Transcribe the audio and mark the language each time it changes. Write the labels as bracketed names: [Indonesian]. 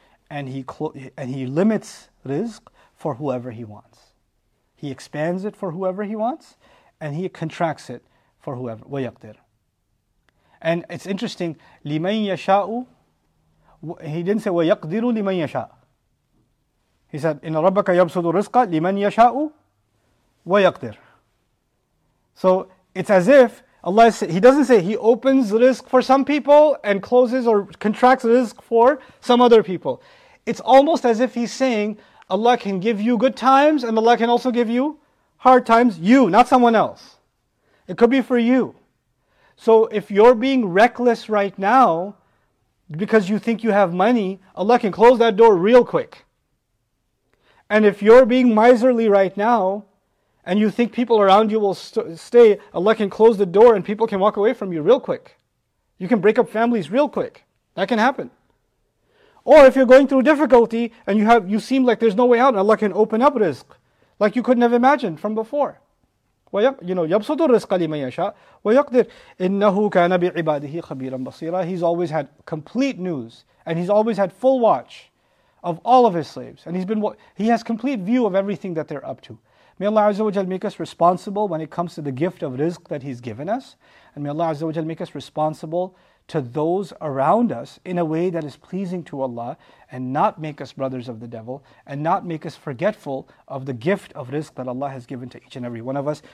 [English] And he limits rizq for whoever he wants. He expands it for whoever he wants, and he contracts it for whoever, [Arabic] وَيَقْدِرُ. [English] And it's interesting, [Arabic] لِمَنْ يَشَاءُ, [English] he didn't say [Arabic] وَيَقْدِرُ لِمَنْ يَشَاءُ. [English] He said, [Arabic] إِنَّ رَبَّكَ يَبْسُطُ الرِّزْقَ لِمَنْ يَشَاءُ وَيَقْدِرُ. [English] So it's as if Allah is, he doesn't say he opens rizq for some people and closes or contracts rizq for some other people. It's almost as if he's saying Allah can give you good times and Allah can also give you hard times, you, not someone else. It could be for you. So if you're being reckless right now because you think you have money, Allah can close that door real quick. And if you're being miserly right now and you think people around you will stay, Allah can close the door and people can walk away from you real quick. You can break up families real quick. That can happen. Or if you're going through difficulty and you seem like there's no way out, Allah can open up rizq like you couldn't have imagined from before. You know, [Arabic] يَبْسُطُ الرِّزْقَ لِمَنْ يَشَاءُ وَيَقْدِرُ إِنَّهُ كَانَ بِعِبَادِهِ خَبِيرًا بَصِيرًا. [English] He's always had complete news, and he's always had full watch of all of his slaves. And he has complete view of everything that they're up to. May Allah Azza wa Jal make us responsible when it comes to the gift of rizq that he's given us. And may Allah Azza wa Jal make us responsible to those around us in a way that is pleasing to Allah, and not make us brothers of the devil, and not make us forgetful of the gift of rizq that Allah has given to each and every one of us.